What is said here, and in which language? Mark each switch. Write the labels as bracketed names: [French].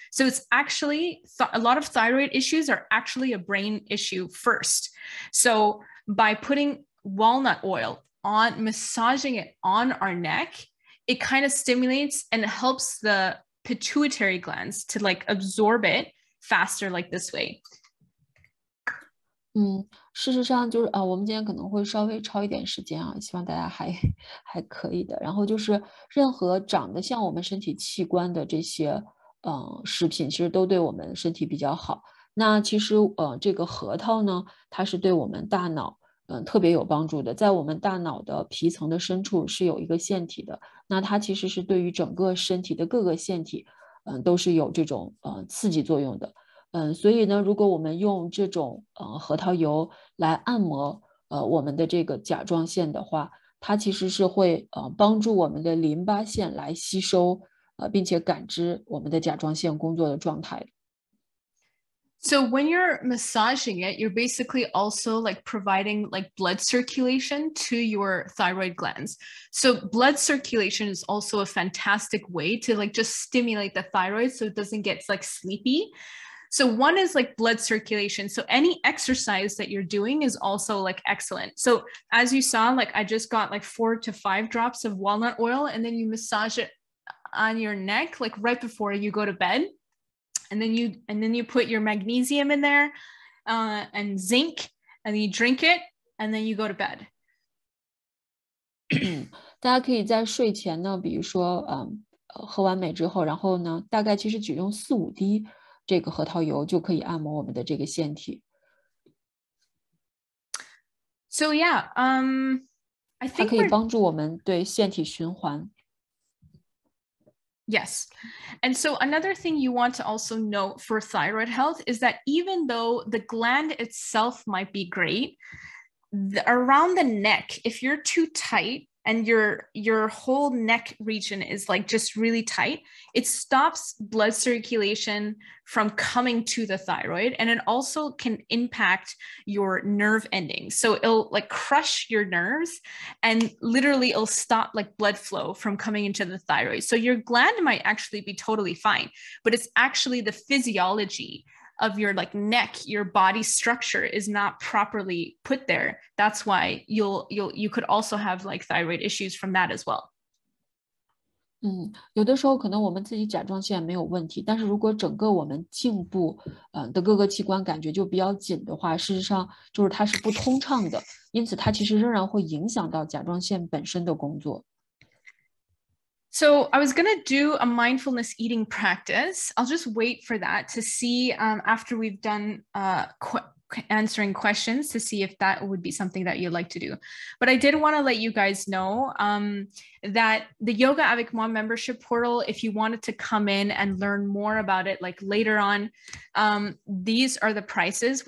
[English] So it's actually a lot of thyroid issues are actually a brain issue first. So by putting walnut oil on, massaging it on our neck, it kind of stimulates and helps the pituitary glands to like absorb it faster, like this way. [Chinese] 事实上就是我们今天可能会稍微超一点时间希望大家还可以的。然后就是任何长得像我们身体器官的这些食品，其实都对我们身体比较好。那其实这个核桃呢，它是对我们大脑特别有帮助的，在我们大脑的皮层的深处是有一个腺体的，那它其实是对于整个身体的各个腺体都是有这种刺激作用的。所以呢，如果我们用这种核桃油来按摩我们的这个甲状腺的话，它其实是会帮助我们的淋巴腺来吸收并且感知我们的甲状腺工作的状态。 [English] So when you're massaging it, you're basically also like providing like blood circulation to your thyroid glands. So blood circulation is also a fantastic way to like just stimulate the thyroid so it doesn't get like sleepy. So one is like blood circulation. So any exercise that you're doing is also like excellent. So as you saw, like I just got like 4 to 5 drops of walnut oil, and then you massage it on your neck, like right before you go to bed. And then you put your magnesium in there and zinc, and then you drink it, and then you go to bed. [Chinese] 大家可以在睡前呢，比如说，喝完美之后，然后呢，大概其实只用4-5滴这个核桃油就可以按摩我们的这个腺体。 [English] So yeah, I think [Chinese] 它可以帮助我们对腺体循环。 [English] Yes. And so another thing you want to also note for thyroid health is that even though the gland itself might be great, around the neck, if you're too tight and your whole neck region is like just really tight, it stops blood circulation from coming to the thyroid. And it also can impact your nerve endings. So it'll like crush your nerves and literally it'll stop like blood flow from coming into the thyroid. So your gland might actually be totally fine, but it's actually the physiology of your like neck, your body structure is not properly put there. That's why you could also have like thyroid issues from that as well. [Chinese] 有的时候可能我们自己甲状腺没有问题，但是如果整个我们颈部的各个器官感觉就比较紧的话，事实上就是它是不通畅的，因此它其实仍然会影响到甲状腺本身的工作。 [English] So I was going to do a mindfulness eating practice. I'll just wait for that to see after we've done answering questions to see if that would be something that you'd like to do. But I did want to let you guys know that the Yoga Avec Moi membership portal, if you wanted to come in and learn more about it like later on, these are the prices.